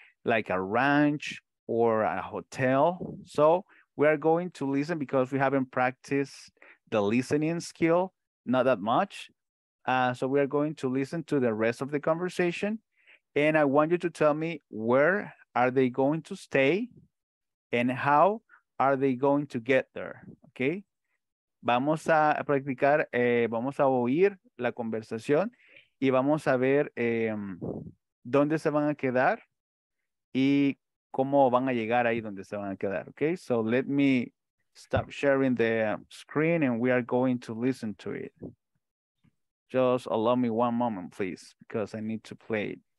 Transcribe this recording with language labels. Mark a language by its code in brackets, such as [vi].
[en] Like a ranch or a hotel. So we are going to listen, because we haven't practiced the listening skill, not that much. So we are going to listen to the rest of the conversation. And I want you to tell me, where are they going to stay and how are they going to get there? Okay. [es] Vamos a practicar, vamos a oír la conversación y vamos a ver dónde se van a quedar y cómo van a llegar ahí donde se van a quedar. [en] Okay. So let me stop sharing the screen and we are going to listen to it. Just allow me one moment, please, because I need to play it.